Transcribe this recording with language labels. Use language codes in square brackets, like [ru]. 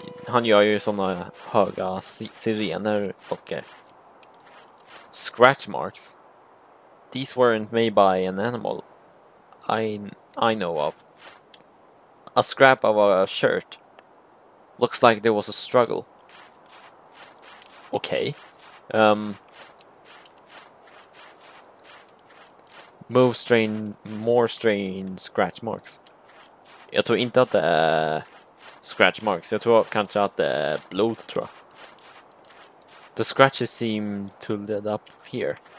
[sv] Han gör ju såna höga sirener och scratch marks. [en] These weren't made by an animal I know of. A scrap of a shirt. Looks like there was a struggle. Okay. Move strain, more strain, scratch marks. [sv] Jag tror inte att det är scratch marks. Jag tror kanske att det är blod, tror jag. [en] The scratches seem to lead up here.